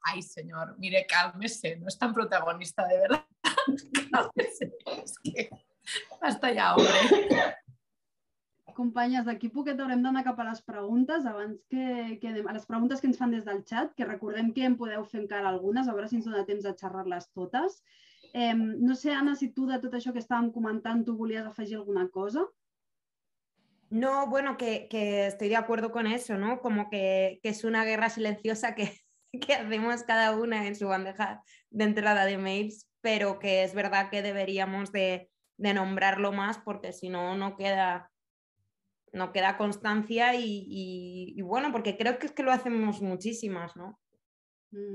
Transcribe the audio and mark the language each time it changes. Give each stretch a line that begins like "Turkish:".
Spanish: Ay, señor, mire, cálmese, no es tan protagonista, de verdad. Cálmese, es que hasta ya, hombre.
Catalan: Companyes, d'aquí poquet haurem d'anar cap a les preguntes abans que anem, a les preguntes que ens fan des del chat, que recordem que en podeu fer encara algunes, a veure si ens dona temps de xerrar-les totes. No sé, Anna, si tu de tot això que estàvem comentant tu volies afegir alguna cosa?
Spanish: No, bueno, que estoy de acuerdo con eso, ¿no? Como que es una guerra silenciosa que hacemos cada una en su bandeja de entrada de mails, pero que es verdad que deberíamos de nombrarlo más, porque si no, no queda constancia y bueno, porque creo que es que lo hacemos muchísimas, ¿no? Mm.